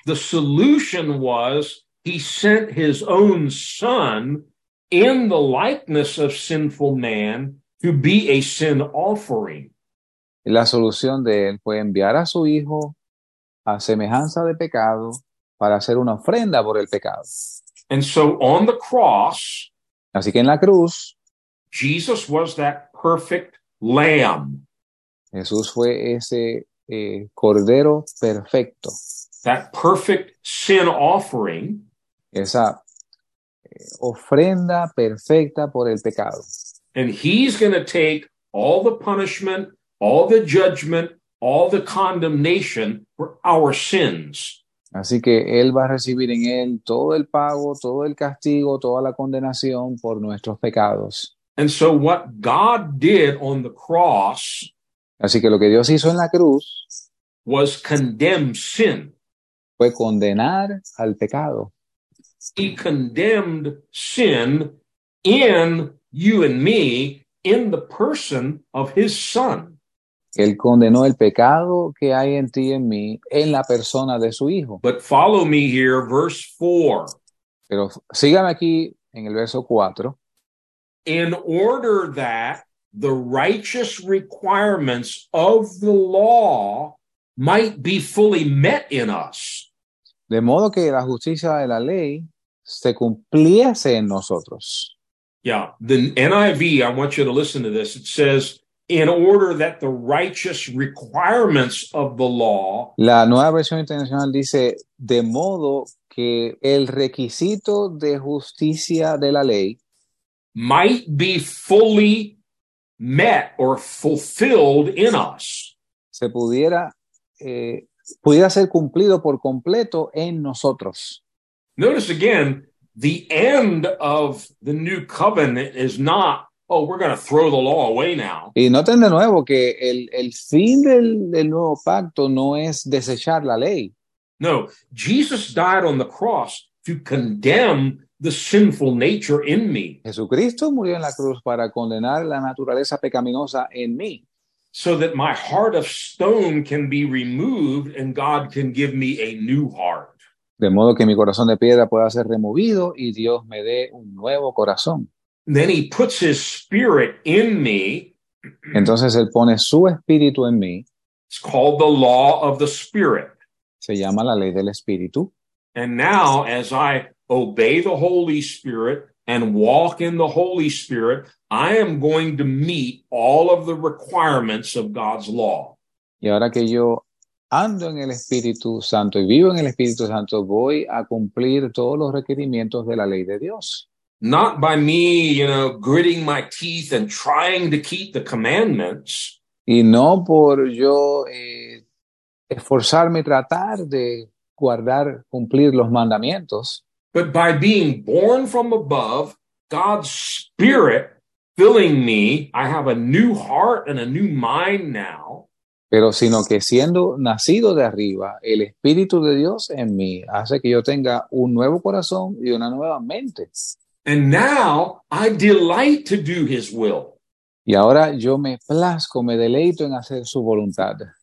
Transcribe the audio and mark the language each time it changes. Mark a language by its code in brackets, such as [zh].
[en] The solution was he sent his own son in the likeness of sinful man to be a sin offering. [es] La solución de él fue enviar a su hijo a semejanza de pecado para hacer una ofrenda por el pecado. [en] And so on the cross, [es] así que en la cruz, [en] Jesus was that perfect lamb. [es] Jesús fue ese cordero perfecto. [en] That perfect sin offering. [es] Esa ofrenda perfecta por el pecado. [en] And he's going to take all the punishment, all the judgment, all the condemnation for our sins. [es] Así que él va a recibir en él todo el pago, todo el castigo, toda la condenación por nuestros pecados. [en] And so what God did on the cross, [es] así que lo que Dios hizo en la cruz, [en] was condemn sin. [es] Fue condenar al pecado. [en] He condemned sin in you and me in the person of his son. [es] Él condenó el pecado que hay en ti y en mí en la persona de su hijo. [en] But follow me here, verse 4. [es] Pero sígame aquí en el verso 4. [en] In order that the righteous requirements of the law might be fully met in us. [es] De modo que la justicia de la ley se cumpliese en nosotros. [en] Yeah, the NIV, I want you to listen to this. It says, in order that the righteous requirements of the law. [es] La nueva versión internacional dice, de modo que el requisito de justicia de la ley [en] might be fully met or fulfilled in us. [es] Se pudiera, pudiera ser cumplido por completo en nosotros. [en] Notice again, the end of the new covenant is not, oh, we're going to throw the law away now. [es] Y noten de nuevo que el fin del nuevo pacto no es desechar la ley. [en] No, Jesus died on the cross to condemn the sinful nature in me. [es] Jesucristo murió en la cruz para condenar la naturaleza pecaminosa en mí. [en] So that my heart of stone can be removed and God can give me a new heart. [es] De modo que mi corazón de piedra pueda ser removido y Dios me dé un nuevo corazón. [en] Then he puts his spirit in me. [es] Entonces él pone su espíritu en mí. [en] It's called the law of the spirit. [es] Se llama la ley del espíritu. [en] And now as I obey the Holy Spirit and walk in the Holy Spirit, I am going to meet all of the requirements of God's law. [es] Y ahora que yo ando en el Espíritu Santo y vivo en el Espíritu Santo, voy a cumplir todos los requerimientos de la ley de Dios. [en] Not by me, you know, gritting my teeth and trying to keep the commandments. [es] Y no por yo esforzarme y tratar de guardar, cumplir los mandamientos. [en] But by being born from above, God's Spirit filling me, I have a new heart and a new mind now. [es] Pero sino que siendo nacido de arriba, el Espíritu de Dios en mí hace que yo tenga un nuevo corazón y una nueva mente. [en] And now I delight to do his will. [es] Y ahora yo me plazco, me deleito en hacer su voluntad.